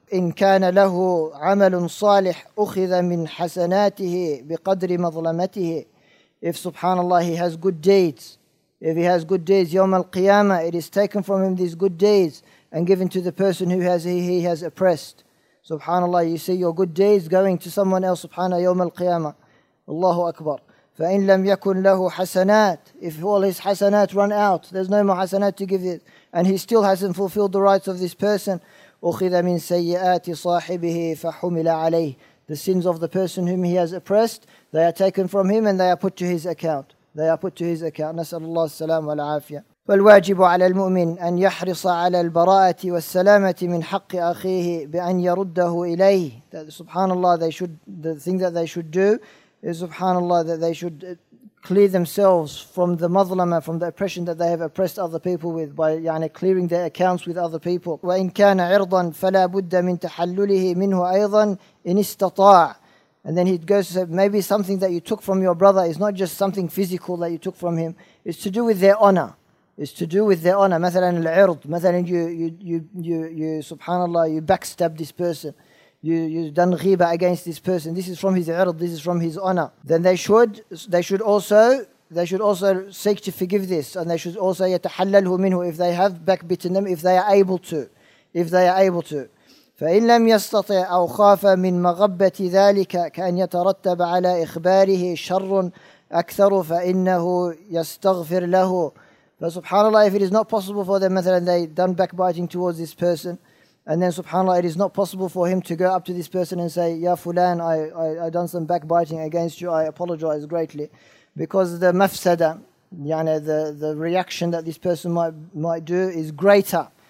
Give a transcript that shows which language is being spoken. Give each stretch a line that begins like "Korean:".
Arabic: إن كان له عمل صالح أخذ من حسناته بقدر مظلمته.
English: If subhanAllah he has good deeds, if he has good deeds, يوم القيامة it is taken from him these good deeds and given to the person who he has oppressed. SubhanAllah, you see your good deeds going to someone else, subhanAllah, يوم القيامة. الله أكبر.
Arabic: فإن لم يكن له حسنات,
English: if all his حسنات run out, there's no more حسنات to give it, and he still hasn't fulfilled the rights of this person,
Arabic: أُخِذَ مِنْ سَيِّئَاتِ صَاحِبِهِ فَحُمِلَ عَلَيْهِ,
English: the sins of the person whom he has oppressed, they are taken from him and they are put to his account. They are put to his account.
Arabic: نسأل الله السلام والعافية. فالواجب على المؤمن أن يحرص على البراءة والسلامة من حق أخيه بأن يرده إليه.
English: سبحان الله, they should, the thing that they should do is, سبحان الله, that they should clear themselves from the مظلمه, from the oppression that they have oppressed other people with, by يعني clearing their accounts with other people.
Arabic: وإن كان عرضا فلا بد من تحلله منه أيضا إن استطاع.
English: And then he goes to say, maybe something that you took from your brother is not just something physical that you took from him, it's to do with their honor. It's to do with their honor. مثلا العرض, مثلا you سبحان الله, you backstab this person, you've done ghiba against this person, this is from his عرض, this is from his honor. Then they should also seek to forgive this, and they should also
Arabic: يتحلله منه,
English: if they have backbitten them, if they are able to.
Arabic: فإن لم يستطع أو خاف من مغبة ذلك كأن يترتب على إخباره شر أكثر فإنه يستغفر له.
English: فسبحانه, if it is not possible for them, مثلا they done backbiting towards this person, and then subhanAllah, it is not possible for him to go up to this person and say, ya fulan, I done some backbiting against you, I apologize greatly, because the mafsada, يعني the reaction that this person might do is greater.